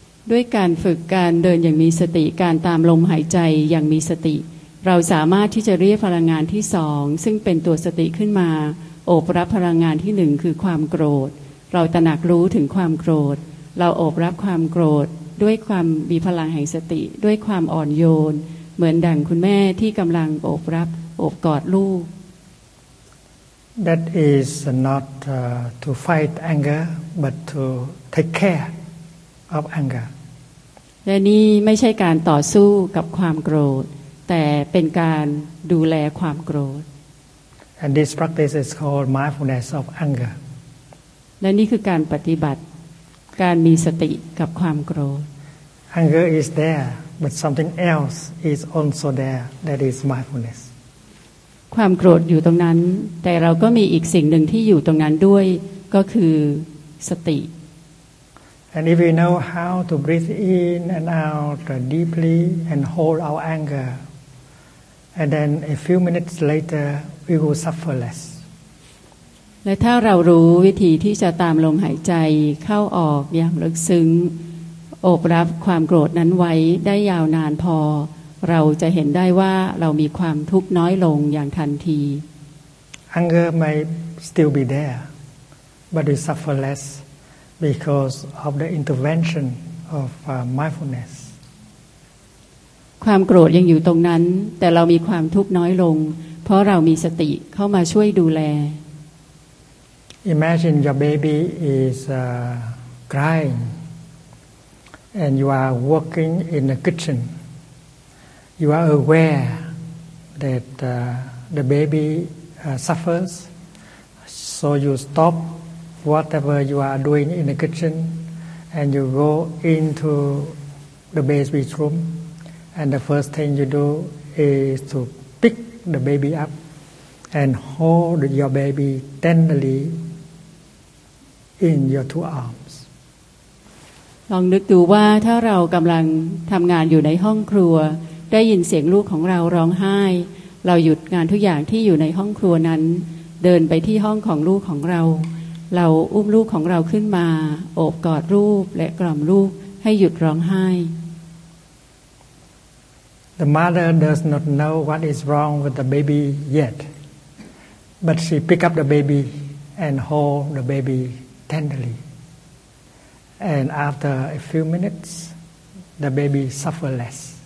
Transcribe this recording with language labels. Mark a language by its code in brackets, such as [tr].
[th] ด้วยการฝึกการเดินอย่างมีสติการตามลมหายใจอย่างมีสติเราสามารถที่จะเรียกพลังงานที่สองซึ่งเป็นตัวสติขึ้นมาโอบรับพลังงานที่หนึ่งคือความโกรธเราตระหนักรู้ถึงความโกรธเราโอบรับความโกรธด้วยความมีพลังแห่งสติด้วยความอ่อนโยนเหมือนดังคุณแม่ที่กำลังโอบรับโอบกอดลูก [en] That is not to fight angerBut to take care of anger. [th] และนี่ไม่ใช่การต่อสู้กับความโกรธแต่เป็นการดูแลความโกรธ [en] And this practice is called mindfulness of anger. [th] และนี่คือการปฏิบัติการมีสติกับความโกรธ [en] Anger is there, but something else is also there. That is mindfulness. [th] ความโกรธอยู่ตรงนั้นแต่เราก็มีอีกสิ่งหนึ่งที่อยู่ตรงนั้นด้วยก็คือสติ [en] And if we know how to breathe in and out deeply and hold our anger, and then a few minutes later, we will suffer less. [th] และถ้าเรารู้วิธีที่จะตามลมหายใจเข้าออกอย่างลึกซึ้งอบรับความโกรธนั้นไว้ได้ยาวนานพอเราจะเห็นได้ว่าเรามีความทุกข์น้อยลงอย่างทันที [en] Anger may still be there but we suffer less because of the intervention of mindfulness [th] ความโกรธยังอยู่ตรงนั้นแต่เรามีความทุกข์น้อยลงเพราะเรามีสติเข้ามาช่วยดูแล [en] Imagine your baby is crying and you are working in the kitchen. You are aware that the baby suffers, so you stop whatever you are doing in the kitchen and you go into the baby's room. And the first thing you do is to pick the baby up and hold your baby tenderlyIn your two arms. [th] ลองนึกดูว่าถ้าเรากำลังทำงานอยู่ในห้องครัวได้ยินเสียงลูกของเราร้องไห้เราหยุดงานทุกอย่างที่อยู่ในห้องครัวนั้นเดินไปที่ห้องของลูกของเราเราอุ้มลูกของเราขึ้นมาโอบกอดลูกและกล่อมลูกให้หยุดร้องไห้ [en] The mother does not know what is wrong with the baby yet, but she pick up the baby and hold the babytenderly and after a few minutes the baby suffer less